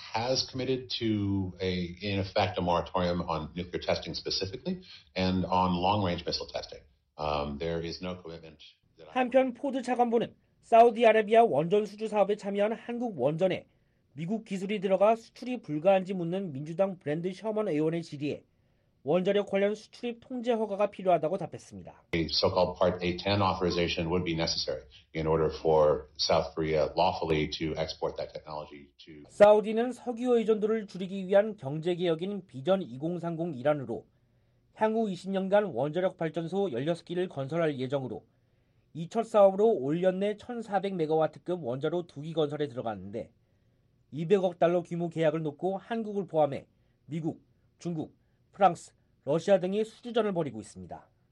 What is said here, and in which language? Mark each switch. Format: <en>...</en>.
<en>Has committed to a in effect a moratorium on nuclear testing specifically and on long-range missile testing. There is no commitment.</en> <ko>한편 포드 차관보는 사우디아라비아 원전 수주 사업에 참여한 한국 원전에 미국 기술이 들어가 수출이 불가한지 묻는 민주당 브랜드 셔먼 의원의 질의에 원자력 관련 수출입 통제 허가가 필요하다고 답했습니다.</ko> <en>A so-called Part A10 authorization would be necessary in order for South Korea lawfully to export that technology to.</en> <ko>사우디는 석유 의존도를 줄이기 위한 경제 개혁인 비전 2030 일환으로 향후 20년간 원자력 발전소 16기를 건설할 예정으로 이 첫 사업으로 올 연내 1,400MW급 원자로 2기 건설에 들어갔는데 200억 달러 규모 계약을 놓고 한국을 포함해 미국, 중국, 프랑스, 러시아 등이 수주전을 벌이고 있습니다.</ko>